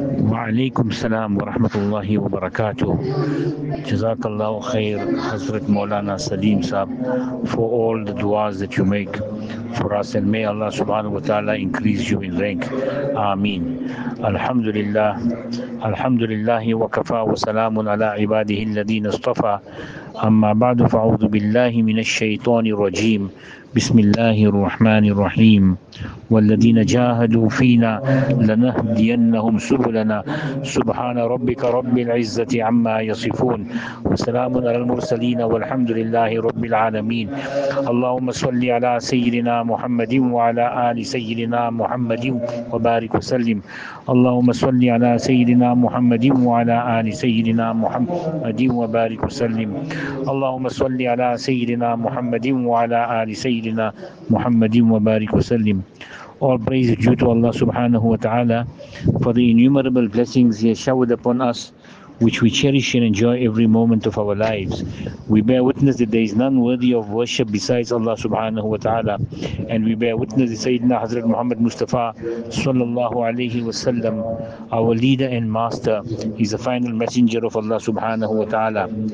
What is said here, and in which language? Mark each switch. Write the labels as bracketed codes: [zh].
[ar] وعليكم السلام ورحمة الله وبركاته. جزاك الله خير حضرت مولانا سليم صاحب [en] for all the duas that you make for us, and may Allah subhanahu wa ta'ala increase you in rank. [ar] Ameen. Alhamdulillah. Alhamdulillahi wa kafa wa salamun ala ibadihi alladhina istafa. Amma ba'du fa'udhu billahi minash shaitani rajim. بسم الله الرحمن الرحيم والذين جاهدوا فينا لنهدينهم سبلنا سبحان ربك رب العزة عما يصفون وسلام على المرسلين والحمد لله رب العالمين اللهم صل على سيدنا محمد وعلى آل سيدنا محمد وبارك وسلم اللهم صل على سيدنا محمد وعلى آل سيدنا محمد وبارك وسلم اللهم صل على سيدنا محمد وعلى آل سيدنا Muhammad wa barik wa sallim. [en] All praise is due to Allah subhanahu wa ta'ala for the innumerable blessings He has showered upon us, which we cherish and enjoy every moment of our lives. We bear witness that there is none worthy of worship besides Allah subhanahu wa ta'ala. And we bear witness that Sayyidina Hazrat Muhammad Mustafa sallallahu alayhi wa sallam, our leader and master, is the final messenger of Allah subhanahu wa ta'ala.